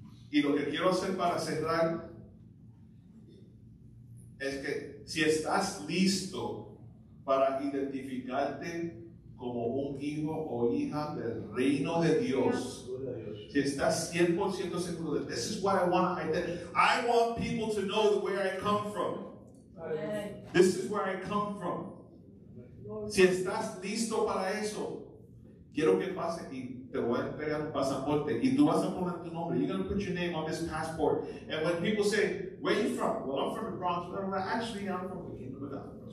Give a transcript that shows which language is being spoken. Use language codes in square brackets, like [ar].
[es] Y lo que quiero hacer para cerrar es que si estás listo para identificarte como un hijo o hija del reino de Dios. Si estás 100% seguro de, [en] this is what I want to identify. I want people to know where I come from. This is where I come from. [es] Si estás listo para eso, quiero que pase y te voy a entregar un pasaporte y tú vas a poner tu nombre. [en] You're going to put your name on this passport. And when people say, where are you from? Well, I'm from the Bronx. But I'm like, actually, I'm from the kingdom of God.